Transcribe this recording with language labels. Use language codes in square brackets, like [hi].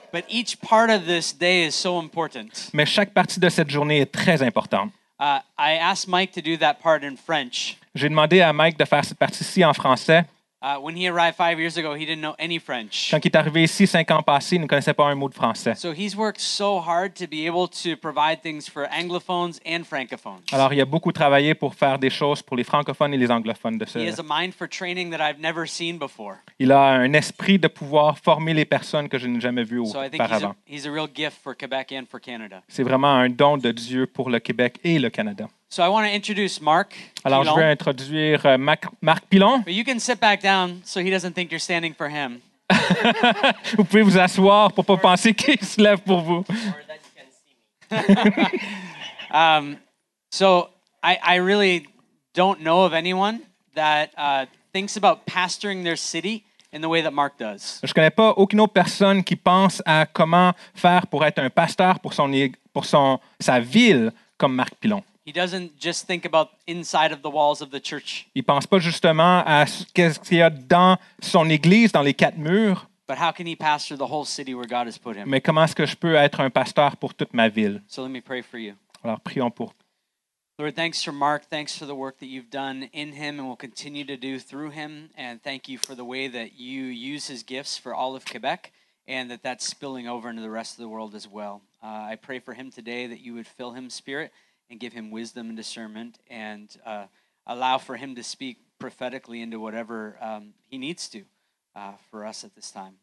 [en] But each part of this day is so important. [fr] Mais chaque partie de cette journée est très importante. [en] I asked Mike to do that part in French. [fr] J'ai demandé à Mike de faire cette partie-ci en français. [en] When he arrived 5 years ago, he didn't know any French. [fr] Quand il est arrivé ici 5 ans passés, il ne connaissait pas un mot de français. [en] So he's worked so hard to be able to provide things for anglophones and francophones. [fr] Alors il a beaucoup travaillé pour faire des choses pour les francophones et les anglophones de ce. [en] He has a mind for training that I've never seen before. [fr] Il a un esprit de pouvoir former les personnes que je n'ai jamais vues auparavant. [en] So I think he's a real gift for Quebec and for Canada. [fr] C'est vraiment un don de Dieu pour le Québec et le Canada. [en] So I want to introduce Mark. [fr] Alors Pilon. Je vais introduire Marc Pilon. [en] But you can sit back down so he doesn't think you're standing for him. [fr] Vous pouvez vous asseoir pour pas penser qu'il se lève pour vous. [en] So I really don't know of anyone that thinks about pastoring their city in the way that Mark does. [fr] Je connais pas aucune autre personne qui pense à comment faire pour être un pasteur pour sa ville comme Marc Pilon. [en] He doesn't just think about inside of the walls of the church. [fr] Il pense pas justement à qu'est-ce qu'il y a dans son église, dans les quatre murs. [en] But how can he pastor the whole city where God has put him? [fr] Mais comment est-ce que je peux être un pasteur pour toute ma ville? [en] So let me pray for you. [fr] Alors prions pour. [en] Lord, thanks for Mark. Thanks for the work that you've done in him and will continue to do through him. And thank you for the way that you use his gifts for all of Quebec and that that's spilling over into the rest of the world as well. I pray for him today that you would fill him spirit and give him wisdom and discernment, and allow for him to speak prophetically into whatever he needs to for us at this time.